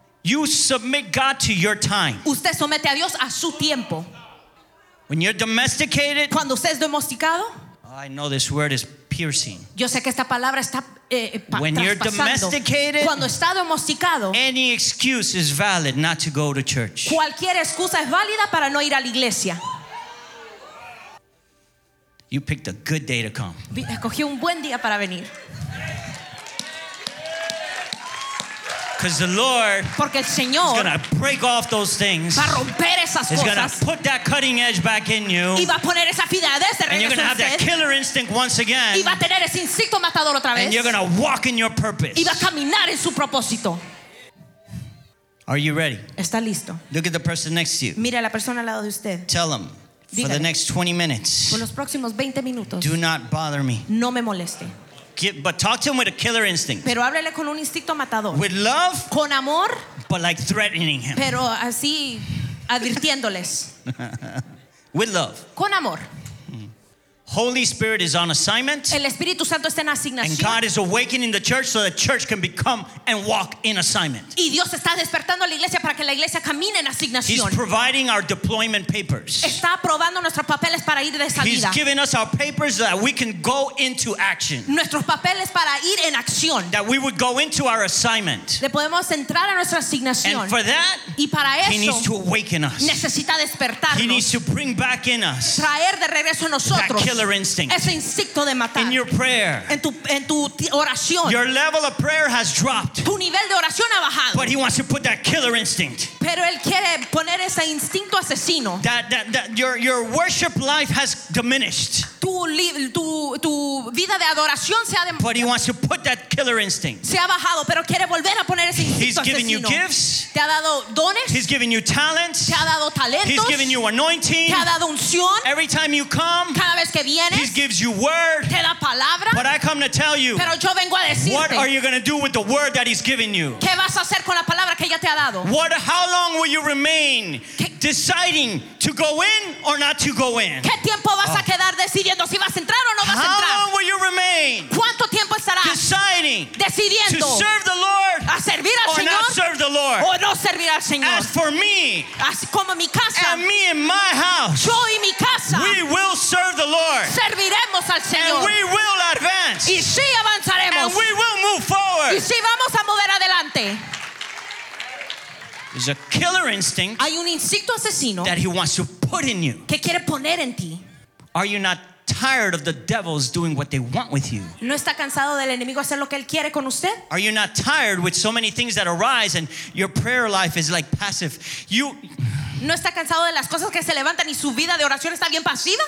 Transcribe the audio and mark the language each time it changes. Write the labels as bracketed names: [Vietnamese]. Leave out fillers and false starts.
[English] You submit God to your time. [Spanish] Usted somete a Dios a su tiempo. [English] When you're domesticated. [Spanish] Cuando usted es domesticado. [English] I know this word is piercing. [Spanish] Yo sé que esta palabra está [English] when you're domesticated, [Spanish] cuando está domesticado, [English] any excuse is valid not to go to church. [Spanish] Cualquier excusa es válida para no ir a la iglesia. [English] You picked a good day to come. [Spanish] Escogió un buen día para venir. [English] Because the Lord is going to break off those things. [Spanish] Va a romper esas [English] he's going to put that cutting edge back in you. [Spanish] Y va a poner esa fidelidad de [English] and you're going to have [Spanish] sed. [English] That killer instinct once again. [Spanish] Y va a tener ese instinto matador otra vez. [English] And you're going to walk in your purpose. [Spanish] Y va a caminar en su propósito. [English] Are you ready? [Spanish] Está listo. [English] Look at the person next to you. [Spanish] Mira a la persona al lado de usted. [English] Tell them. [Spanish] Dígale, [English] for the next 20 minutes. [Spanish] Por los próximos 20 minutos, [English] do not bother me. [Spanish] No me moleste. [English] But talk to him with a killer instinct. [Spanish] Pero háblele con un instinto matador. [English] With love. [Spanish] Con amor. [English] But like threatening him. [Spanish] Pero así advirtiéndoles. [English] With love. [Spanish] Con amor. [English] Holy Spirit is on assignment. [Spanish] El Espíritu Santo está en asignación. [English] And God is awakening the church so the church can become and walk in assignment. [Spanish] Y Dios está despertando a la iglesia para que la iglesia camine en asignación. [English] He's providing our deployment papers. [Spanish] Está aprobando nuestros papeles para ir de salida. [English] He's giving us our papers that we can go into action. [Spanish] Nuestros papeles para ir en acción. [English] That we would go into our assignment. [Spanish] Le podemos entrar a nuestra asignación. [English] And for that, [Spanish] y para eso, [English] he needs to awaken us. [Spanish] Necesita despertarnos. [English] He needs to bring back in us. [Spanish] Traer de regreso a nosotros. [English] Instinct. In your prayer. [Spanish] En tu oración. [English] Your level of prayer has dropped. [Spanish] Tu nivel de oración ha bajado. [English] But he wants to put that killer instinct. [Spanish] Pero él quiere poner ese instinto asesino. [English] That your worship life has diminished. [Spanish] Tu vida de adoración se ha de, [English] but he wants to put that killer instinct. [Spanish] Se ha bajado, pero quiere volver a poner ese instinto asesino. [English] He's given you gifts. [Spanish] Te ha dado dones. [English] He's given you talents. [Spanish] Te ha dado talentos. [English] He's given you anointing. [Spanish] Te ha dado unción. [English] Every time you come. [Spanish] Cada vez que vienes, [English] he gives you word. [Spanish] Te da palabra. [English] But I come to tell you. [Spanish] Pero yo vengo a decirte, [English] what are you going to do with the word that he's given you? [Spanish] ¿Qué vas a hacer con la palabra que ya te ha dado? [English] How long will you remain? deciding to go in or not to go in. [Spanish] ¿Qué tiempo vas a quedar decidiendo si vas a entrar o no vas a entrar? [English] How long will you remain? [Spanish] ¿Cuánto tiempo estarás [English] deciding [Spanish] decidiendo [English] to serve the Lord [Spanish] a servir al [English] or [Spanish] Señor [English] not serve the Lord? [Spanish] O no servir al Señor. [English] As for me, [Spanish] así como mi casa, [English] and me and my house, [Spanish] yo y mi casa, [English] we will serve the Lord. [Spanish] Serviremos al Señor. [English] And we will advance. [Spanish] Y sí avanzaremos. [English] And we will move forward. [Spanish] Y sí vamos a mover adelante. [English] There's a killer instinct. [Spanish] Hay un instinto asesino [English] that he wants to put in you. [Spanish] Que quiere poner en ti. [English] Are you not tired of the devils doing what they want with you? [Spanish] ¿No está cansado del enemigo hacer lo que él quiere con usted? [English] Are you not tired with so many things that arise and your prayer life is like passive? [Spanish] ¿No está cansado de las cosas que se levantan y su vida de oración está bien pasiva?